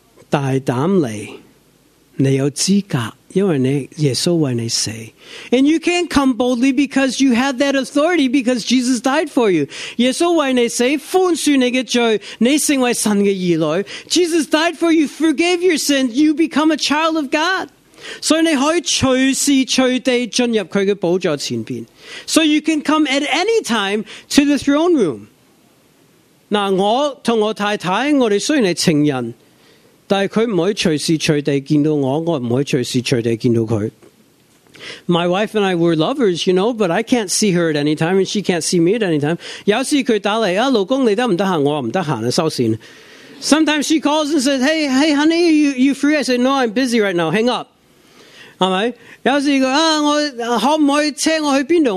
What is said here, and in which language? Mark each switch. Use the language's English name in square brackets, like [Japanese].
[Cantonese] 大胆嚟，你有资格，因为你耶稣为你死。 [English] And you can come boldly because you have that authority because Jesus died for you. [Cantonese] 耶稣为你死，宽恕你嘅罪，你成为神嘅儿女。 [English] Jesus died for you, forgave your sins, you become a child of God. [Cantonese] 所以你可以随时随地进入佢嘅宝座前边。 [English] So you can come at any time to the throne room. [Cantonese] 嗱，我同我太太，我哋虽然系情人。但佢唔可以随时随地见到我，我唔可以随时随地见到佢。 [English] My wife and I were lovers, you know, but I can't see her at any time, and she can't see me at any time. [Cantonese] 有时佢打嚟啊，老公你得唔得闲？我唔得闲啊，收线。 [English] Sometimes she calls and says, "Hey, honey, you free?" I say, "No, I'm busy right now. Hang up." [Cantonese] 系咪？有时佢啊，我可唔可以车我去边度？